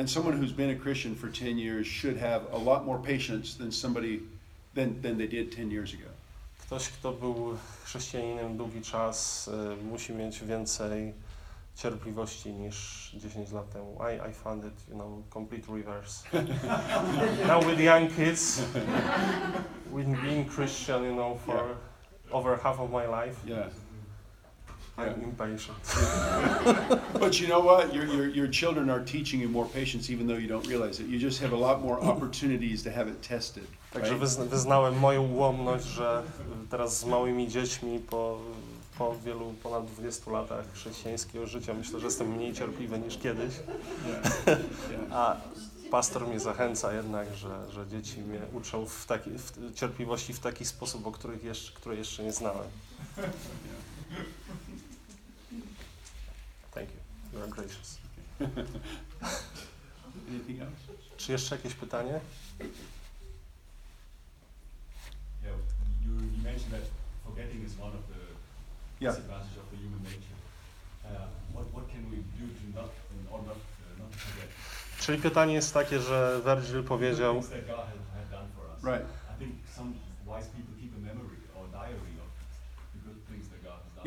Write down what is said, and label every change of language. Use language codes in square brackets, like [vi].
[en] And someone who's been a Christian for 10 years should have a lot more patience than somebody than they did 10 years ago. [pl] Ktoś, kto był chrześcijaninem długi czas, musi mieć więcej cierpliwości niż 10 lat temu. [en] I found it, you know, complete reverse. Now with young kids, with being Christian, you know, for yeah. over half of my life. Yeah. I'm impatient. But you know what? Your children are teaching you more patience, even though you don't realize it. You just have a lot more opportunities to have it tested. [pl] Także [en] right? [pl] wyznałem moją ułomność, że teraz z małymi dziećmi po wielu ponad 20 latach chrześcijańskiego życia myślę, że jestem mniej cierpliwy niż kiedyś. [en] Yeah. [pl] A pastor mnie zachęca jednak, że dzieci mnie uczą w cierpliwości w taki sposób, które jeszcze nie znałem. [en] Thank you. You are gracious. Anything else? [pl] Czy jeszcze jakieś pytanie? [en] Yeah, you mentioned that forgetting is one of the yeah. disadvantages of the human nature. What can we do to not in order not to forget? [pl] Czyli pytanie jest takie, że Virgil powiedział. [en] The things that God had done for us. Right. I think some wise people keep a memory or a diary of the good things that God has done.